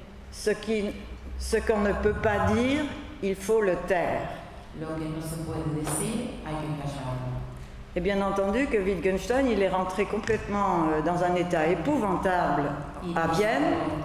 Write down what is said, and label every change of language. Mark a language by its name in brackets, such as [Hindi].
[French] Ce qu'on ne peut pas dire, il faut le taire. [Spanish] Lo que no se puede decir, hay que callarlo. [French] Et bien entendu que Wittgenstein, il est rentré complètement dans un état épouvantable à Vienne.